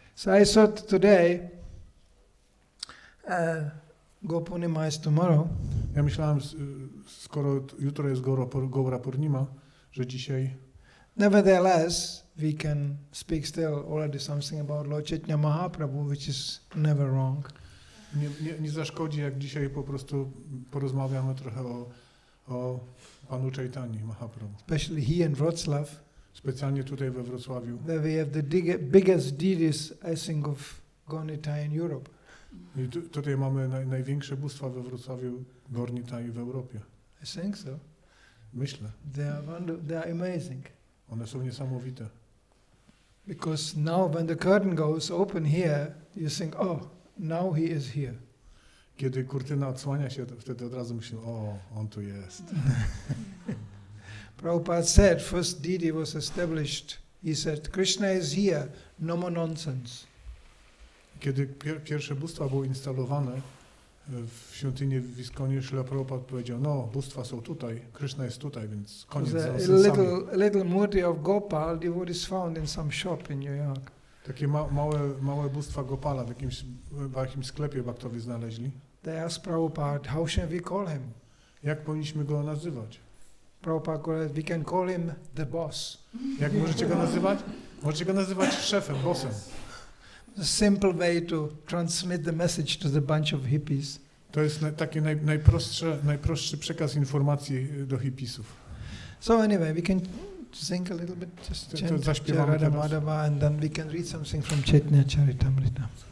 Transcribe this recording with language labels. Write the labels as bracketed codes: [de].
[en] So I thought today, Gopurnima is tomorrow. [pl] Ja myślałem, skoro jutro jest Gaura Purnima, że dzisiaj... [en] Nevertheless, we can speak still already something about Lord Chaitanya Mahaprabhu, which is never wrong. [pl] Nie zaszkodzi, jak dzisiaj po prostu porozmawiamy trochę o Panu Chaitanyi Mahaprabhu. [en] Especially he in Wrocław. [pl] Specjalnie tutaj we Wrocławiu. [en] Where we have the biggest deities, I think, of Gornitai in Europe. [pl] I tutaj mamy największe bóstwa we Wrocławiu, Gornitai w Europie. [en] I think so. [pl] Myślę. [en] They are amazing. [pl] One są niesamowite. [en] Because now when the curtain goes open here, you think, oh, now he is here. [pl] Kiedy kurtyna odsłania się, wtedy od razu myślę, o, on tu jest. [en] Prabhupada said, first deity was established. He said, Krishna is here, no more nonsense. [pl] Kiedy pierwsze bóstwa były instalowane w świątyni w Wiskonie, Śrila Prabhupada powiedział, no, bóstwa są tutaj, Krishna jest tutaj, więc koniec za nonsensami. [en] A little murti of Gopal, devotee is found in some shop in New York. [pl] Takie małe bóstwa Gopala w jakimś sklepie baktowie znaleźli. [en] They asked Prabhupada, how shall we call him? [pl] Jak powinniśmy go nazywać? [en] Prabhupada said, we can call him the boss. [pl] Jak możecie go nazywać? Możecie go nazywać szefem, bossem. [en] The simple way to transmit the message to the bunch of hippies. [pl] To jest najprostszy przekaz informacji do hippiesów. [en] So anyway, we can sing a little bit, just chant Radha Madhava, and then we can read something from Chaitanya Charitamrita.